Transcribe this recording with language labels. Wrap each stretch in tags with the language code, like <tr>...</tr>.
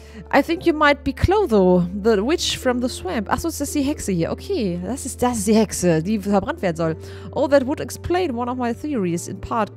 <en>I think you might be Clotho, the witch from the swamp.</en> <de>Achso, ist das die Hexe hier? Okay, das ist die Hexe, die verbrannt werden soll.</de> <en>Oh, that would explain one of my theories in part.</en>